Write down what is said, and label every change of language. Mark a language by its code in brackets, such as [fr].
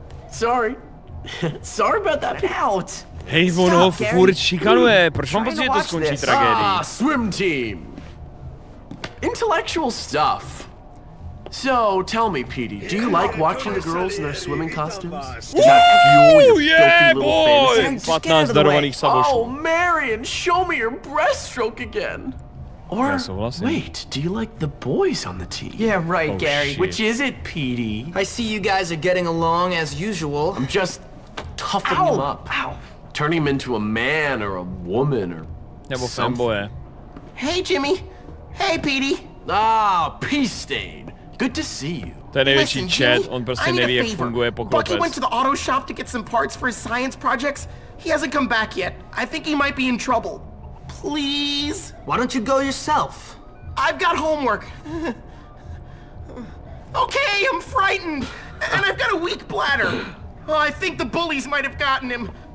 [en] Sorry. Sorry about that pout. [cs] Hej, on ho furt šikanuje. Proč mám pocit, že to skončí tragédii? [en] Ah, swim team. Intellectual stuff. So, tell me, Petey, do you like watching the girls in their swimming costumes? Woo, yeah, boy! [cs] 15 darovaných sabošů. [en] Oh, Marion, show me your breaststroke again. Or, wait, do you like the boys on the team? Yeah, right, Gary. Which is it, Petey? I see you guys are getting along as usual. I'm just toughing him up. Ow. Turning him into a man or a woman or [cs] nebo femboje. [en] Hey, Jimmy. Hey, Petey. Ah, peace stain. Good to see you. [cs] To je největší chat, on prostě neví, jak funguje poklopec. [en] Bucky went to the auto shop to get some parts for his science projects. He hasn't come back yet. I think he might be in trouble. Please? Why don't you go yourself? I've got homework. Okay, I'm frightened. And I've got a weak bladder. Oh, I think the bullies might have gotten him.